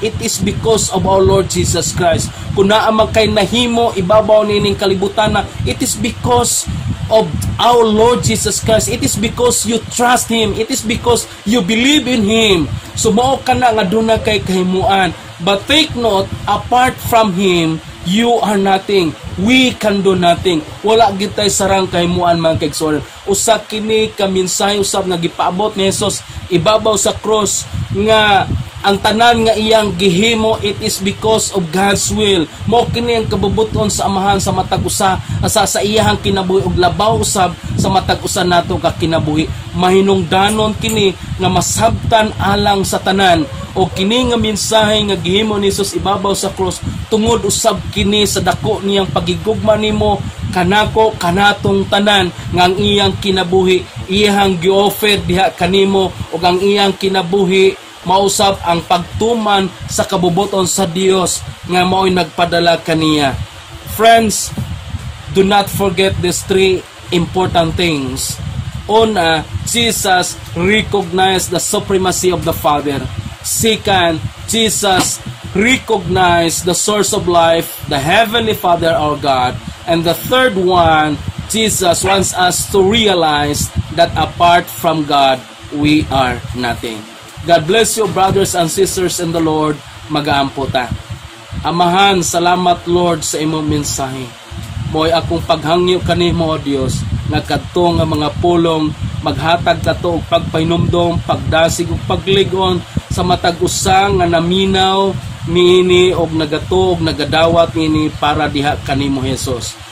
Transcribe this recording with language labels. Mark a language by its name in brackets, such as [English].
[English] It is because of our Lord Jesus Christ. [Cebuano] Kung naamang kay nahimo ibabaw nining kalibutan na, [English] it is because of our Lord Jesus Christ. It is because you trust Him. It is because you believe in Him. [Cebuano] Sumuo ka na nga duna kay kahimuan. [English] But take note, apart from Him, you are nothing. We can do nothing. [Cebuano] Wala gitay sarang kahimuan, mga kaigsoonan. Usa kini kaminsay usab nga gipaabot ni Jesus ibabaw sa cross nga ang tanan nga iyang gihimo, [English] it is because of God's will. [Cebuano] Mao kini ang kabubuton sa Amahan sa matag usa sa iyang kinabuhi ug labaw usab sa matag usa nato ka kinabuhi. Mahinungdanon kini nga masabtan alang sa tanan o kini nga mensahe nga gihimo ni Jesus ibabaw sa cross tungod usab kini sa dako niyang pagigugma nimo kanako kanatong tanan ngang iyang kinabuhi iyang gi-offer diha kanimo o ang iyang kinabuhi mausab ang pagtuman sa kabubuton sa Dios nga mao'y nagpadala kaniya. [English] Friends, do not forget these three important things. Una, Jesus recognized the supremacy of the Father. Second, Jesus recognized the source of life, the Heavenly Father, our God. And the third one, Jesus wants us to realize that apart from God, we are nothing. God bless you, brothers and sisters in the Lord. [Cebuano] Magaan po ta. Amahan, salamat Lord sa imong mensahe. Mo'y akong paghangyo kanimo, O Diyos, nga kadto nga mga pulong maghatag kato og pagpahinumdom, pagdasig og pagligon sa matag usa nga naminaw niini og nagato og nagadawat niini para diha kanimo Jesus.